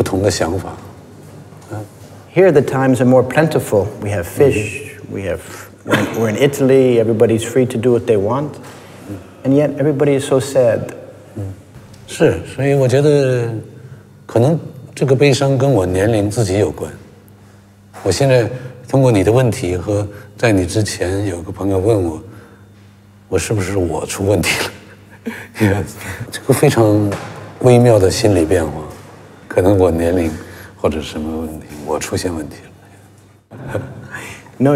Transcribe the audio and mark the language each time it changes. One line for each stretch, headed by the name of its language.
Chinese: 我的工作就是把这些事物摆在一起，把文革的书、葡萄、一个女孩摆在一起。不同经历的人会有不同的想法。
English: Here the times are more plentiful. We have fish. We have. We're in Italy. Everybody's free to do what they want. And yet everybody is so sad.
Chinese: 是，所以我觉得可能这个悲伤跟我年龄自己有关。我现在。通过你的问题和在你之前有个朋友问我，我是不是我出问题了？这个非常微妙的心理变化，可能我年龄或者什么问题，我出现问题了。
English: No,